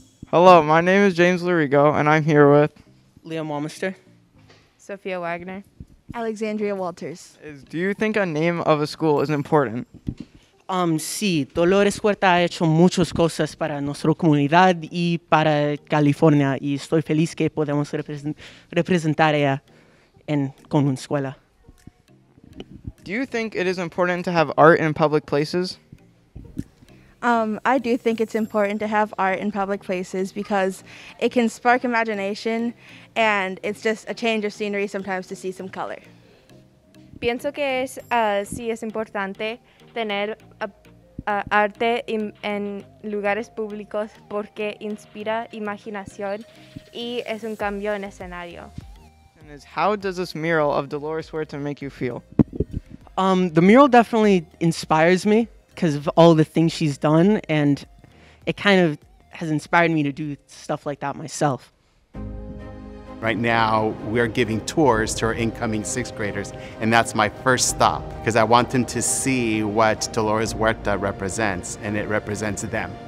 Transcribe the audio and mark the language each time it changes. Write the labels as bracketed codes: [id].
[en] Hello, my name is James Larigo, and I'm here with Liam Walmister, Sophia Wagner, Alexandria Walters. Do you think a name of a school is important? [es] Sí, Dolores Huerta ha hecho muchas cosas para nuestra comunidad y para California, y estoy feliz que podemos representar ella con una escuela. [en] Do you think it is important to have art in public places? I do think it's important to have art in public places because it can spark imagination and it's just a change of scenery sometimes to see some color. [es] Pienso que es sí es importante tener arte en lugares públicos porque inspira imaginación y es un cambio en escenario. [en] And how does this mural of Dolores Huerta make you feel? The mural definitely inspires me because of all the things she's done, and it kind of has inspired me to do stuff like that myself. Right now, we're giving tours to our incoming sixth graders, and that's my first stop, because I want them to see what Dolores Huerta represents, and it represents them.